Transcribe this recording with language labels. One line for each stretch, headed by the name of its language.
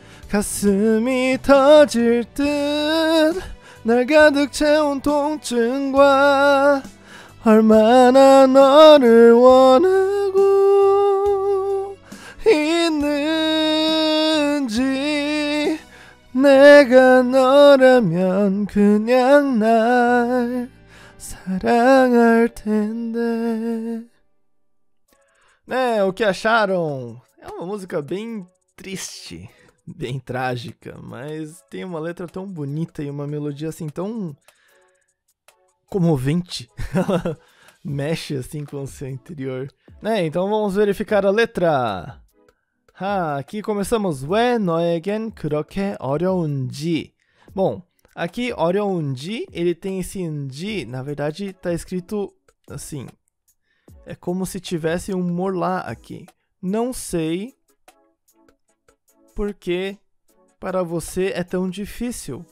Korean: 가슴이 터질 듯 날 가득 채운 통증과 얼마나 너를 원하고 있는지. 내가 너라면 그냥 날 사랑할 텐데.
Portuguese: 네, o que acharam? É uma música bem triste, bem trágica, mas tem uma letra tão bonita e uma melodia assim tão comovente. Ela mexe assim com o seu interior. Né, então vamos verificar a letra. Aqui começamos.
Korean: 왜 너에겐 그렇게 어려운지.
Portuguese: Bom, aqui 어려운지, ele tem esse 지, na verdade tá escrito assim. É como se tivesse um morlá aqui. Não sei. Por que para você é tão difícil?